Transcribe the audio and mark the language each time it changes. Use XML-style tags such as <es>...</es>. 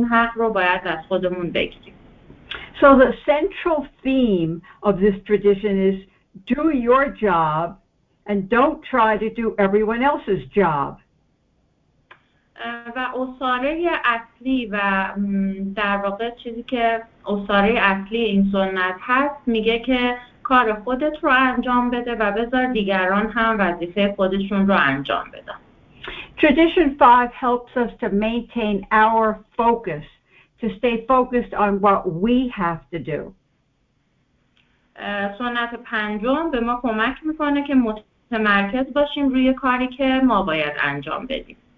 <fa>این حق رو باید از خودمون بگیریم.</fa> <en>So the central theme of this tradition is do your job and don't try to do everyone else's job.</en> <fa>و اصاره اصلی و در واقع چیزی که اصاره اصلی این سنت هست میگه که کار خودت رو انجام بده و بذار دیگران هم وظیفه خودشون رو انجام بدن.</fa> <en>Tradition 5 helps us to maintain our focus, to stay focused on what we have to do.</en> <fa>سنت پنجم به ما کمک میکنه که متمرکز باشیم روی کاری که ما باید انجام بدیم.</fa>